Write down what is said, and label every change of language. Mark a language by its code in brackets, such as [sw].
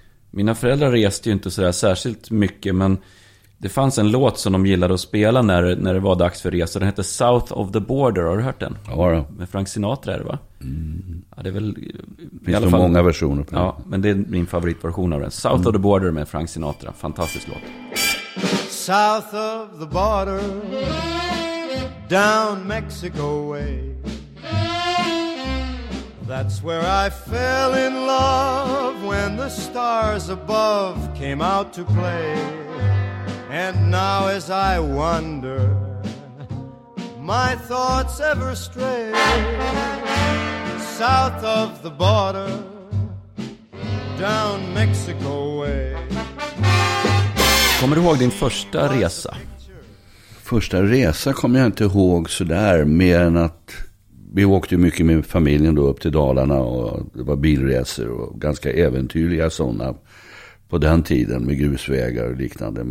[sv] Mina föräldrar reste ju inte så där särskilt mycket, men det fanns en låt som de gillade att spela när det var dags för resa. Den hette South of the Border. Har du hört den? Ja, då. Med Frank Sinatra är det, va? Mm. Ja, det är väl, finns i alla fall, många versioner på den. Ja, men det är min favoritversion av den. South of the Border med Frank Sinatra. Fantastisk låt. [en] South of the Border, down Mexico way, that's where I fell in love when the stars above came out to play. And now as I wander, my thoughts ever stray south of the border, down Mexico way. [sv] Kommer du ihåg din första resa? Första resa kommer jag inte ihåg så där, mer än att vi åkte mycket med familjen då upp till Dalarna, och det var bilresor och ganska äventyrliga sådana på den tiden, med grusvägar och liknande.